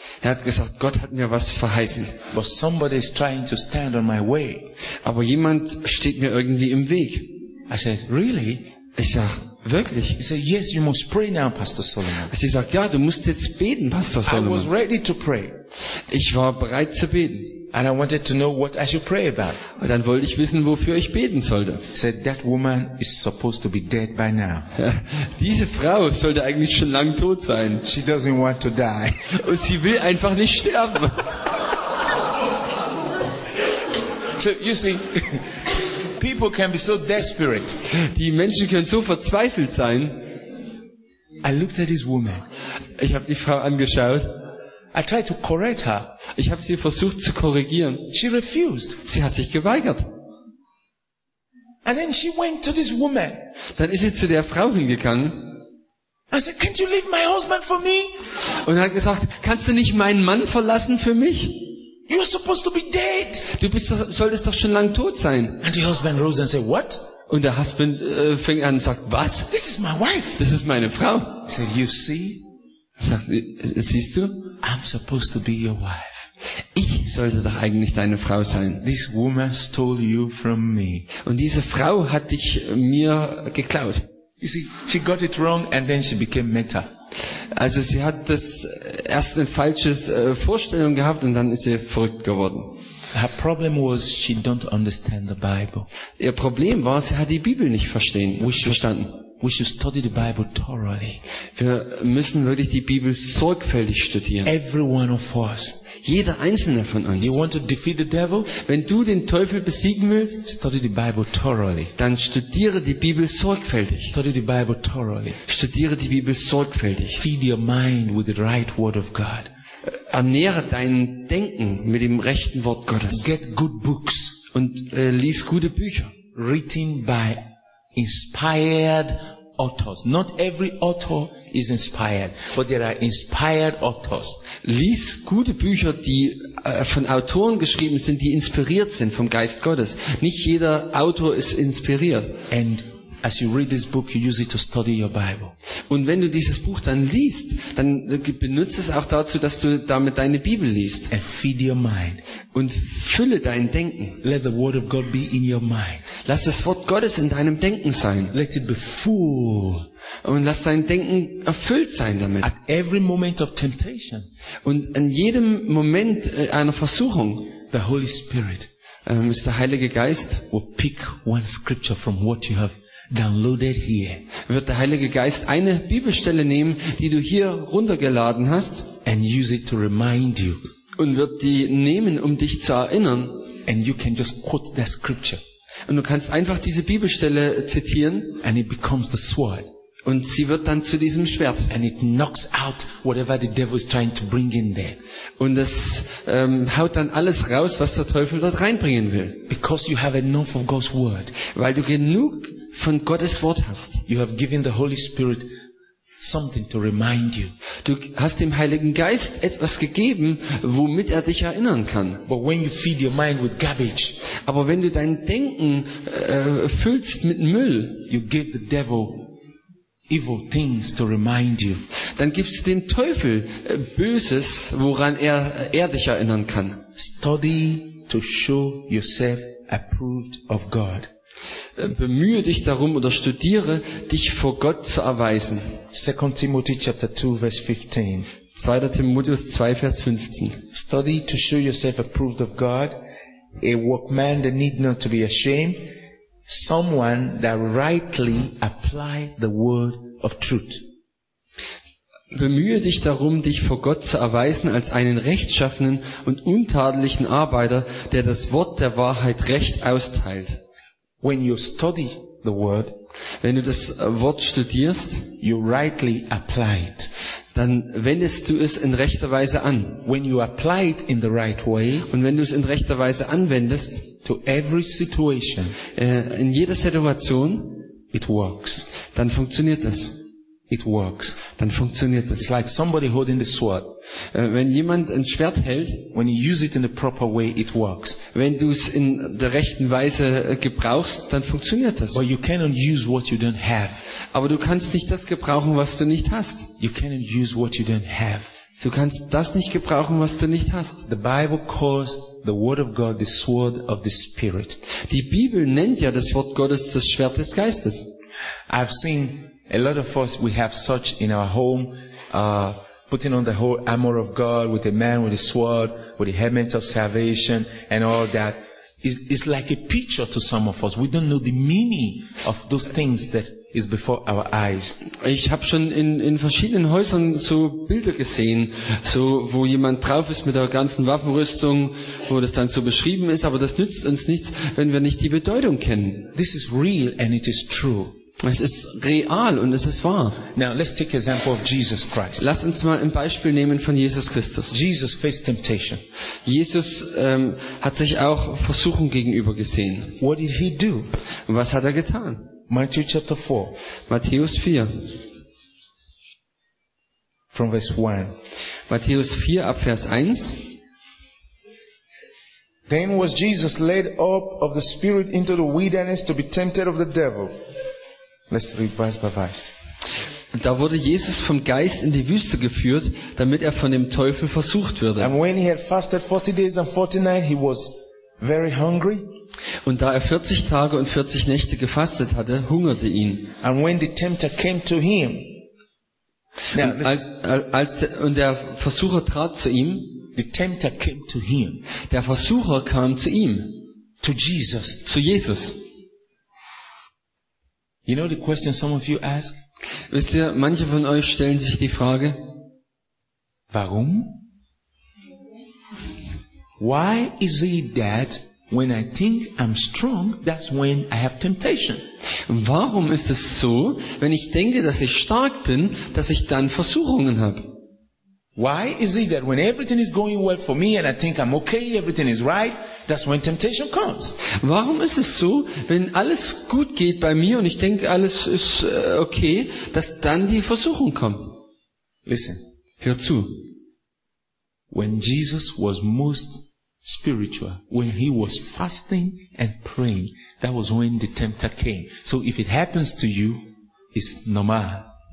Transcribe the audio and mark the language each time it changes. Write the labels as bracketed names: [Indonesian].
[German] Er hat gesagt, Gott hat mir was verheißen. [English] But somebody is trying to stand on my way. [German] Aber jemand steht mir irgendwie im Weg. [English] I said, really? [German] Ich sag, wirklich? [English] He said, yes, you must pray now, Pastor Solomon. [German] Sie sagt, ja, du musst jetzt beten, Pastor Solomon. [English] I was ready to pray. [German] Ich war bereit zu beten. [English] And I wanted to know what I should pray about. [German] Und dann wollte ich wissen, wofür ich beten sollte. [English] He said, that woman is supposed to be dead by now. [German] Diese Frau sollte eigentlich schon lang tot sein. [English] She doesn't want to die. [German] Und sie will einfach nicht sterben. [English] So you see, people can be so desperate. [German] Die Menschen können so verzweifelt sein. [English] I looked at this woman. [German] Ich habe die Frau angeschaut. [English] I tried to correct her. [German] Ich habe sie versucht zu korrigieren. [English] She refused. [German] Sie hat sich geweigert. [English] And then she went to this woman. [German] Dann ist sie zu der Frau hingegangen. [English] I said, "Can't you leave my husband for me?" [German] Und hat gesagt, kannst du nicht meinen Mann verlassen für mich? [English] You're supposed to be dead. [German] Du solltest doch schon lang tot sein. [English] And the husband rose and said, "What?" [German] Und der Husband fing an und sagt, was? [English] This is my wife. [German] Das ist meine Frau. [English] He said, "You see?" [German] Sagt, siehst du? [English] I'm supposed to be your wife. [German] Ich sollte doch eigentlich deine Frau sein. [English] This woman stole you from me. [German] Und diese Frau hat dich mir geklaut. [English] You see, she got it wrong and then she became meta. [German] Also sie hat das erst eine falsche Vorstellung gehabt und dann ist sie verrückt geworden. [English] Her problem was she don't understand the Bible. [German] Ihr Problem war, sie hat die Bibel nicht verstanden. [English] We should study the Bible thoroughly. [German] Wir müssen wirklich die Bibel sorgfältig studieren. [English] Every one of us. [German] Jeder einzelne von uns. [English] You want to defeat the devil? [German] Wenn du den Teufel besiegen willst, [English] study the Bible thoroughly. [German] Dann studiere die Bibel sorgfältig. [English] Study the Bible thoroughly. [German] Studiere die Bibel sorgfältig. [English] Feed your mind with the right word of God. [German] Ernähre dein Denken mit dem rechten Wort Gottes. [English] Get good books. [German] Und lies gute Bücher. [English] Written by inspired authors. Not every author is inspired, but there are inspired authors. [German] Lies gute Bücher, die von Autoren geschrieben sind, die inspiriert sind vom Geist Gottes. Nicht jeder Autor ist inspiriert. [English] And as you read this book, you use it to study your Bible. [German] Und wenn du dieses Buch dann liest, dann benutze es auch dazu, dass du damit deine Bibel liest. [English] And feed your mind. [German] Und fülle dein Denken. [English] Let the word of God be in your mind. [German] Lass das Wort Gottes in deinem Denken sein. [English] Let it be full. [German] Und lass dein Denken erfüllt sein damit. [English] At every moment of temptation. [German] Und in jedem Moment einer Versuchung. [English] The Holy Spirit. [German] Ist der Heilige Geist. [English] Will pick one scripture from what you have downloaded here. [German] Wird der Heilige Geist eine Bibelstelle nehmen, die du hier runtergeladen hast. [English] And use it to remind you. [German] Und wird die nehmen, um dich zu erinnern. [English] And you can just quote that scripture. [German] Und du kannst einfach diese Bibelstelle zitieren. [English] And it becomes the sword. [German] Und sie wird dann zu diesem Schwert. [English] And it knocks out whatever the devil is trying to bring in there. [German] Und es haut dann alles raus, was der Teufel dort reinbringen will. [English] Because you have enough of God's word. [German] Weil du genug von Gottes Wort hast. [English] You have given the Holy Spirit something to remind you. [German] Du hast dem Heiligen Geist etwas gegeben, womit er dich erinnern kann. [English] But when you feed your mind with garbage, [German] aber wenn du dein Denken füllst mit Müll, [English] you give the devil evil things to remind you. [German] Dann gibst du dem Teufel Böses, woran er dich erinnern kann. [English] Study to show yourself approved of God. [German] Bemühe dich darum oder studiere dich vor Gott zu erweisen. 2 Timotheus 2 Vers 15. 2. Timotheus 2 Vers 15. [English] Study to show yourself approved of God, a workman that need not to be ashamed, someone that rightly apply the word of truth. [German] Bemühe dich darum, dich vor Gott zu erweisen als einen rechtschaffenen und untadeligen Arbeiter, der das Wort der Wahrheit recht austeilt. [English] When you study the word, [German] wenn du das Wort studierst, [English] you rightly apply it. [German] Dann wendest du es in rechter Weise an. [English] When you apply it in the right way, [German] und wenn du es in rechter Weise anwendest, [English] to every situation, [German] in jeder Situation, [English] it works. [German] Dann funktioniert es. [English] It works. [German] Dann funktioniert es. [English] It's like somebody holding the sword. [German] Wenn jemand ein Schwert hält, [English] when you use it in the proper way, it works. [German] Wenn du es in der rechten Weise gebrauchst, dann funktioniert das. [English] But you cannot use what you don't have. [German] Aber du kannst nicht das gebrauchen, was du nicht hast. [English] You cannot use what you don't have. [German] Du kannst das nicht gebrauchen, was du nicht hast. [English] The Bible calls the word of God the sword of the Spirit. [German] Die Bibel nennt ja das Wort Gottes das Schwert des Geistes. [English] I've seen a lot of us, we have such in our home, putting on the whole armor of God with a man with a sword, with the helmet of salvation and all that. It's like a picture to some of us. We don't know the meaning of those things that is before our eyes. [German] Ich habe schon in verschiedenen Häusern so Bilder gesehen, so wo jemand drauf ist mit der ganzen Waffenrüstung, wo das dann so beschrieben ist, aber das nützt uns nichts, wenn wir nicht die Bedeutung kennen. [English] This is real and it is true. [German] Es ist real und es ist wahr. [English] Now let's take an example of Jesus Christ. [German] Lass uns mal ein Beispiel nehmen von Jesus Christus. [English] Jesus faced temptation. [German] Jesus hat sich auch Versuchung gegenüber gesehen. [English] What did he do? [German] Was hat er getan? [English] Matthew chapter 4. [German] Matthäus 4. [English] From verse 1. [German] Matthäus 4 ab Vers 1. [English] Then was Jesus led up of the Spirit into the wilderness to be tempted of the devil. Let's read verse by verse. [German] Da wurde Jesus vom Geist in die Wüste geführt, damit er von dem Teufel versucht würde. [English] And when he had fasted 40 days and 40 nights, he was very hungry. [German] Und da er 40 Tage und 40 Nächte gefastet hatte, hungerte ihn. [English] And when the tempter came to him, [German] und der Versucher trat zu ihm. [English] The tempter came to him. [German] Der Versucher kam zu ihm. [English] To Jesus. [German] Zu Jesus. [English] You know the question some of you ask? [German] Wisst ihr, manche von euch stellen sich die Frage, warum? [English] Why is it that when I think I'm strong, that's when I have temptation? [German] Warum ist es so, wenn ich denke, dass ich stark bin, dass ich dann Versuchungen habe? [English] Why is it that when everything is going well for me and I think I'm okay, everything is right, that's when temptation comes? [German] Warum ist es so, wenn alles gut geht bei mir und ich denke, alles ist okay, dass dann die Versuchung kommt? [English] Listen. [German] Hör zu. [English] When Jesus was most spiritual, when he was fasting and praying, that was when the tempter came. So if it happens to you, it's normal.